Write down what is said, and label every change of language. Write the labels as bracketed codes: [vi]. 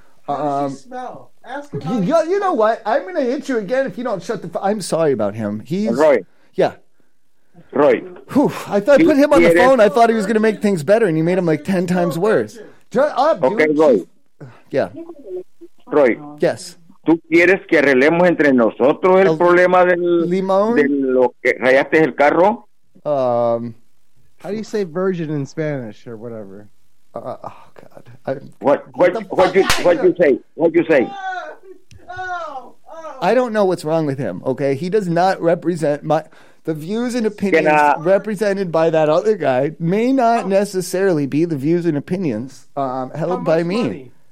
[en] How does he smell? Ask him. You know what? I'm going to hit you again if you don't shut the... I'm sorry about him. He's... Roy. Yeah. Roy. Whew. I thought I put him on the phone. I thought he was going to make things better, and you made him like 10 times worse. Shut up, okay, dude. Roy. Yeah. Roy. Yes. [es] ¿Tú quieres que arreglemos entre nosotros el problema del limón? De lo que rayaste el carro. [en] How do you say virgin in Spanish or whatever? Oh God. What'd you say? I don't know what's wrong with him, okay? He does not represent the views and opinions represented by that other guy may not necessarily be the views and opinions held by me.